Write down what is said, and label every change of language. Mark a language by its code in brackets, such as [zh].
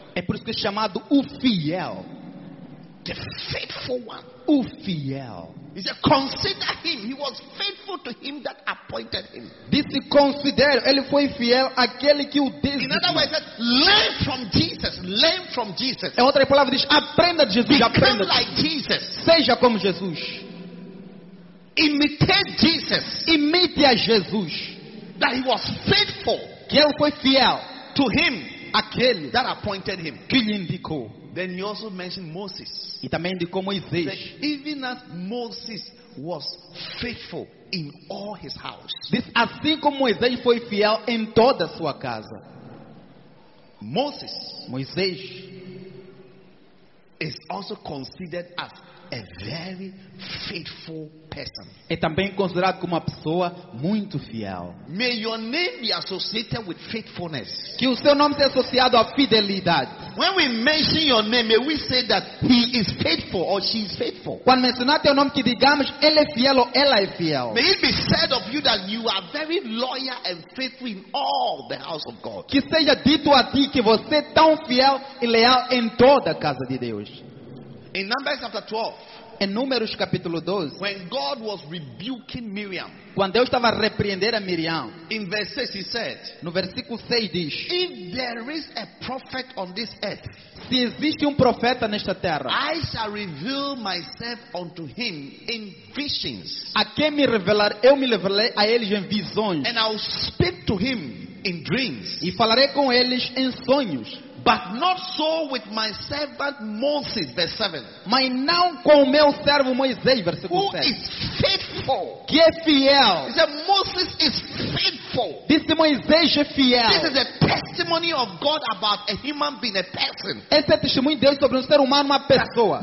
[pt] É por isso que é chamado o fiel. [en] The faithful one. [pt] O fiel. [en] He said, consider him. He was faithful to him that appointed him. [pt] Disse, considere. Ele foi fiel àquele que o designou. [en] In other words, learn from Jesus. Learn from Jesus. [pt] Em outra palavra, diz, aprenda de Jesus. [en] Become like Jesus. [pt] Seja como Jesus. [en] Imitate Jesus. [pt] Imite a Jesus. [en] That he was faithful. [pt] Que ele foi fiel. [en] To him. [pt] Aquele [en] that appointed him. [pt] Que lhe indicou. [en] Then he also mentioned Moses. [pt] E também indicou Moisés. [en] That even as Moses was faithful in all his house. [pt] Diz, assim como Moisés foi fiel em toda a sua casa. [en] Moses. [pt] Moisés. [en] Is also considered as a very faithful person. [pt] É também considerado como uma pessoa muito fiel. [en] May your name be associated with faithfulness. [pt] Que o seu nome seja associado à fidelidade. [en] When we mention your name, may we say that he is faithful or she is faithful. [pt] Quando mencionar teu nome, que digamos ele é fiel ou ela é fiel. [en] May it be said of you that you are very loyal and faithful in all the house of God. [pt] Que seja dito a ti que você é tão fiel e leal em toda a casa de Deus. [en] In Numbers chapter 12. [pt] Em Números capítulo 12. [en] When God was rebuking Miriam. [pt] Quando Deus estava a repreender a Miriam. [en] In verse 6 he said. [pt] No versículo 6 diz. [en] If there is a prophet on this earth. [pt] Se existe profeta nesta terra. [en] I shall reveal myself unto him in visions. [pt] A quem me revelar, eu me revelarei a eles em visões. [en] And I will speak to him in dreams. [pt] E falarei com eles em sonhos. [en] But not so with my servant Moses, verse 7. [pt] Mas não com meu servo Moisés, versículo 7. [en] Who is faithful? [pt] Que é fiel. [en] He said Moses is faithful. [pt] Disse Moisés é fiel. [en] This is a testimony of God about a human being, a person. [pt] Esse é testemunho de Deus sobre ser humano, uma pessoa.